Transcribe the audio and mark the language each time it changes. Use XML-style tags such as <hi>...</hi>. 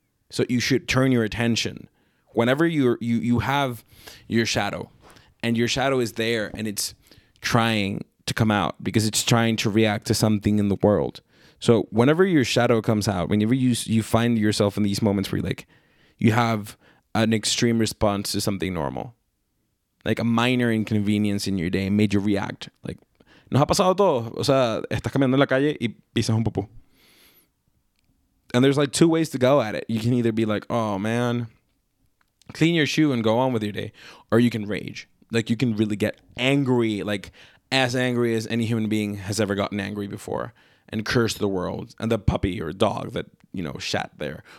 <en>So you should turn your attention. Whenever you have your shadow and your shadow is there and it's trying to come out because it's trying to react to something in the world. So whenever your shadow comes out, whenever you find yourself in these moments where you have an extreme response to something normal, like a minor inconvenience in your day made you react. Like,</en> <es>nos ha pasado todo. O sea, estás caminando en la calle y pisas un popo.</es> <en>And there's like two ways to go at it. You can either be like, oh man, clean your shoe and go on with your day. Or you can rage. Like you can really get angry, like as angry as any human being has ever gotten angry before, and curse the world and the puppy or dog that, you know, shat there.</en>